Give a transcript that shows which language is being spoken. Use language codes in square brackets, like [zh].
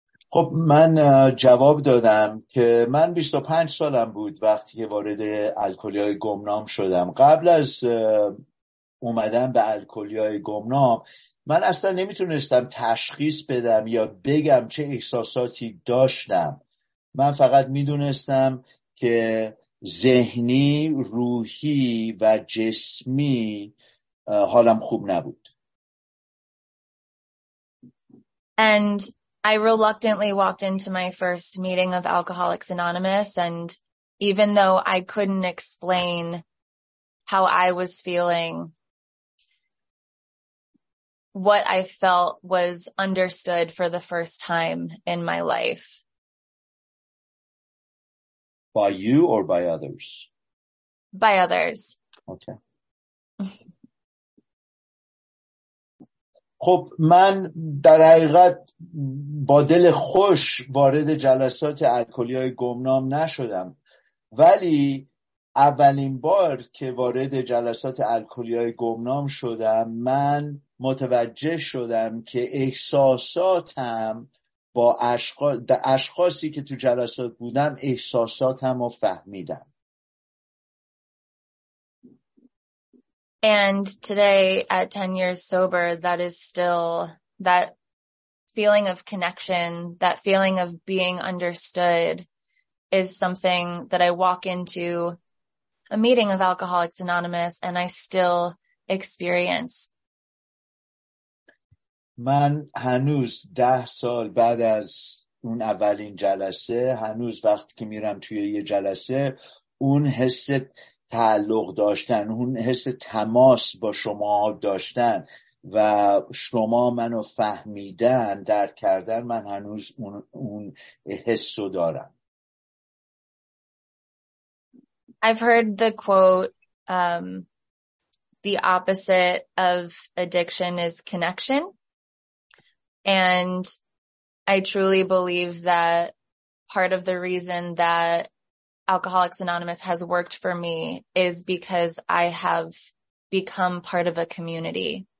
[fa] خب من جواب دادم که من 25 سالم بود وقتی که وارد الکلی‌های گمنام شدم. قبل از اومدن به الکلی‌های گمنام من اصلا نمیتونستم تشخیص بدم یا بگم چه احساساتی داشتم. من فقط میدونستم که ذهنی، روحی و جسمی حالم خوب نبود. [en] And I reluctantly walked into my first meeting of Alcoholics Anonymous, and even though I couldn't explain how I was feeling, what I felt was understood for the first time in my life. By you or by others? By others. Okay. [fa] خب من در حقیقت با دل خوش وارد جلسات الکلی‌های گمنام نشدم. ولی اولین بار که وارد جلسات الکلی‌های گمنام شدم من متوجه شدم که احساساتم با اشخاصی که تو جلسات بودم احساساتم رو فهمیدم. [en] And today at 10 years sober, that is still that feeling of connection, that feeling of being understood is something that I walk into a meeting of Alcoholics Anonymous and I still experience. [fa] من هنوز 10 سال بعد از اون اولین جلسه هنوز وقتی که میرم توی یه جلسه اون حس تعلق داشتن، اون حس تماس با شما داشتن و شما منو فهمیدن، درک کردن، من هنوز اون حس رو دارم. [en] I've heard the quote, the opposite of addiction is connection. And I truly believe that part of the reason that Alcoholics Anonymous has worked for me is because I have become part of a community.